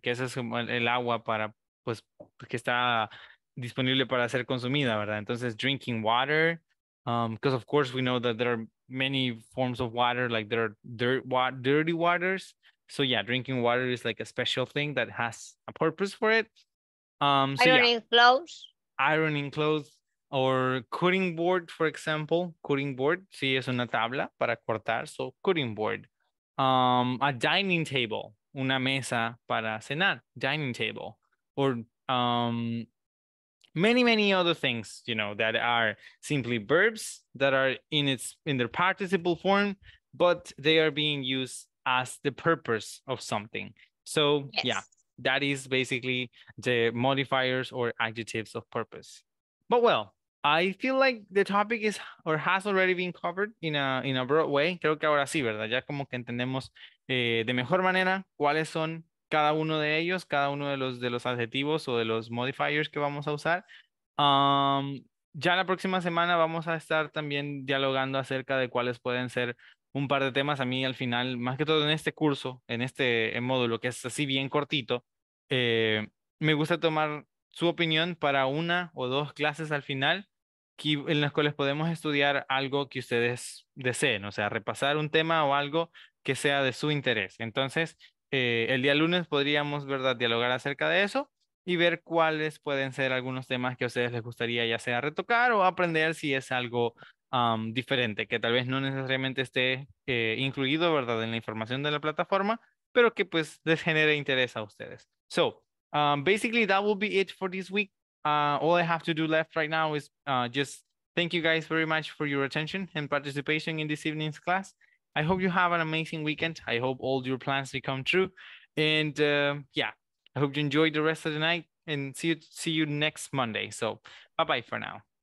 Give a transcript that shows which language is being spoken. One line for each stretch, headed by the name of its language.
Spanish: Que es el agua para, pues, que está disponible para ser consumida, ¿verdad?
English: Entonces, drinking water. Because, of course, we know that there are many forms of water, like there are dirty waters. So, yeah, drinking water is like a special thing that has a purpose for it. Ironing clothes. Or cutting board, for example. Cutting board.
Spanish: Sí, es una tabla para cortar.
English: So, cutting board.
Spanish: A dining table. Una mesa para cenar.
English: Dining table. Or many, many other things, you know, that are simply verbs that are in their participle form, but they are being used as the purpose of something. So, yes. Yeah, that is basically the modifiers or adjectives of purpose. But well, I feel like the topic is or has already been covered in a broad way.
Spanish: Creo que ahora sí, ¿verdad? Ya como que entendemos de mejor manera cuáles son cada uno de ellos, cada uno de los adjetivos o de los modifiers que vamos a usar. Ya la próxima semana vamos a estar también dialogando acerca de cuáles pueden ser un par de temas. A mí al final, más que todo en este curso, en este módulo que es así bien cortito, me gusta tomar su opinión para una o dos clases al final en las cuales podemos estudiar algo que ustedes deseen, o sea, repasar un tema o algo que sea de su interés. Entonces, el día lunes podríamos, ¿verdad?, dialogar acerca de eso y ver cuáles pueden ser algunos temas que a ustedes les gustaría ya sea retocar o aprender si es algo diferente, que tal vez no necesariamente esté incluido, ¿verdad?, en la información de la plataforma, pero que pues les genere interés a ustedes.
English: So, basically that will be it for this week. All I have to do left right now is just thank you guys very much for your attention and participation in this evening's class. I hope you have an amazing weekend. I hope all your plans become true. And yeah, I hope you enjoy the rest of the night and see you next Monday. So bye-bye for now.